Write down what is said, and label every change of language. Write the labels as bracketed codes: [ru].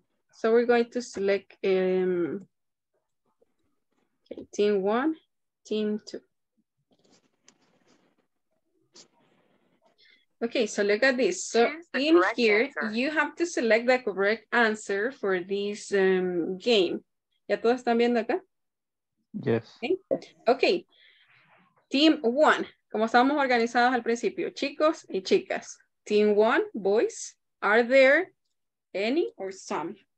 [en] So we're going to select okay, team one, team two. Okay, so look at this. So in here, you have to select the correct answer for this game. [es] ¿Ya todos están viendo acá? [en] Yes. Okay. Okay, team one, [es] como estábamos organizados al principio, chicos y chicas. [en] Team one, boys, are there any or some?